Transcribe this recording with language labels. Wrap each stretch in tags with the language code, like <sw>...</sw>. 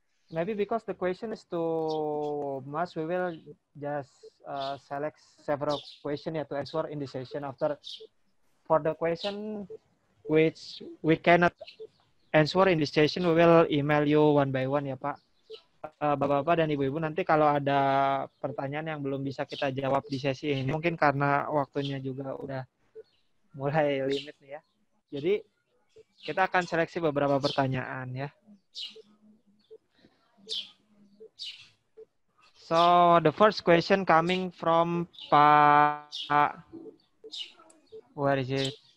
<en>Maybe because the question is too much, we will just select several questions to answer in the session. After, for the question which we cannot answer in the session, we will email you one by one,</en> <id>ya Pak. Bapak-bapak dan ibu-ibu, nanti kalau ada pertanyaan yang belum bisa kita jawab di sesi ini, mungkin karena waktunya juga udah mulai limit nih ya. Jadi kita akan seleksi beberapa pertanyaan ya.</id> <en>So the first question coming from Pak, where is it?</en>